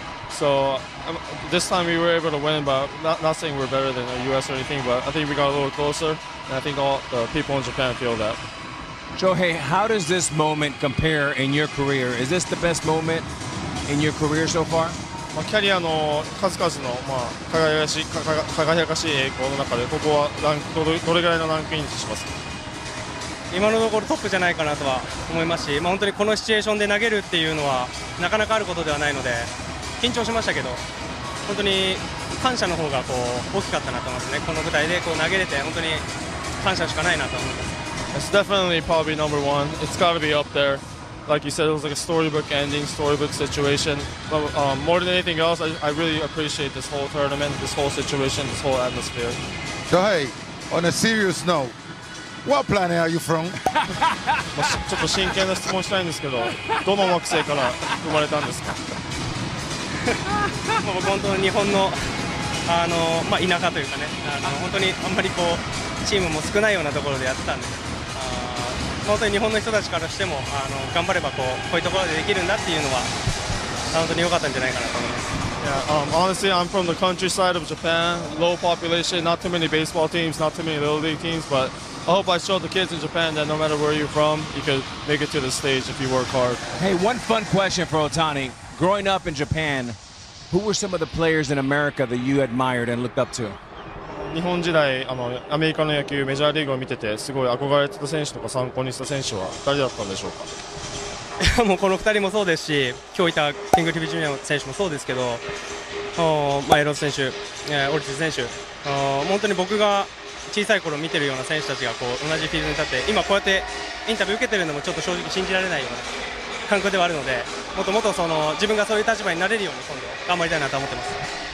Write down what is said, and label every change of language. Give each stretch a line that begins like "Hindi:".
English: So this time we were able to win, but not saying we're better than the US or anything, but I think we got a little closer. And I think all the people in Japan feel that. Shohei, how does this moment compare in your career? Is this the best moment in your career so far?
Japanese: まあ、キャリアの数々の、まあ、輝かしい栄光の中で、ここはランク、どれぐらいのランクインしますか？今のところトップじゃないかなとは思いますし、まあ、本当にこのシチュエーションで投げるっていうのはなかなかあることではないので、緊張しましたけど、本当に感謝の方がこう大きかったなと思いますね。この舞台でこう投げれて本当に感謝しかないなと思います。
English: It's definitely probably number one. It's got to be up there. Like you said, it was like a storybook ending, storybook situation. But more than anything else, I really appreciate this whole tournament, this whole situation, this whole atmosphere. So hey, on a serious note, what planet are you from?
Japanese: まあ、ちょっと真剣な質問したいんですけど、どの惑星から生まれたんですか？もう本当に日本の、まあ、田舎というかね、本当にあんまりこうチームも少ないようなところでやってたんで、本当に日本の人たちからしても、頑張ればこういうところでできるんだっていうのは本当に良かったんじゃないかなと思います。
English: Yeah, honestly, I'm from the countryside of Japan. Low population, not too many baseball teams, not too many little league teams. But I hope I showed the kids in Japan that no matter where you're from, you could make it to the stage if you work hard. Hey, one fun question for Ohtani. Growing up in Japan, who were some of the players in America that you admired and looked up to?
Japanese: 日本時代あのアメリカの野球メジャーリーグを見ててすごい憧れてた選手とか参考にした選手は誰だったんでしょうか。もうこの2人もそうですし今日いたキングティビジュニア選手もそうですけど、まあ、エロス選手、オルティス選手、本当に僕が小さい頃見てるような選手たちがこう同じフィールドに立って今こうやってインタビュー受けてるのもちょっと正直信じられないような感覚ではあるのでもっともっとその自分がそういう立場になれるように今度頑張りたいなと思ってます。